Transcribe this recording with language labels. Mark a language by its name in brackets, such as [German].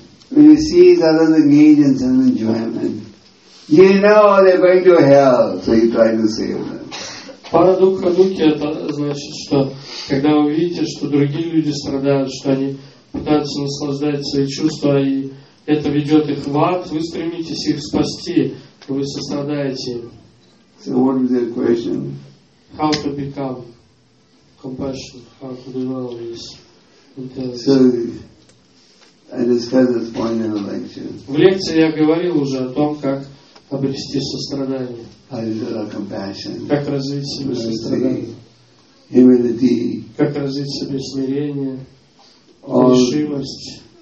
[English] When you see these other engagements and enjoyment, you know they're going to hell, so you try to save them. [Russian] Парадукха духи – это значит, что когда вы видите, что другие люди страдают, что они пытаются наслаждать свои чувства, и это ведет их в ад, вы стремитесь их спасти, вы сострадаете им. [English] So what is their question? How to become compassionate, how to develop this intelligence. [Russian] В лекции я говорил уже о том, как обрести сострадание. [English] How to develop compassion. [Russian] Как развить себе сострадание. [English] Humility. [Russian] Как развить себе смирение. Решимость.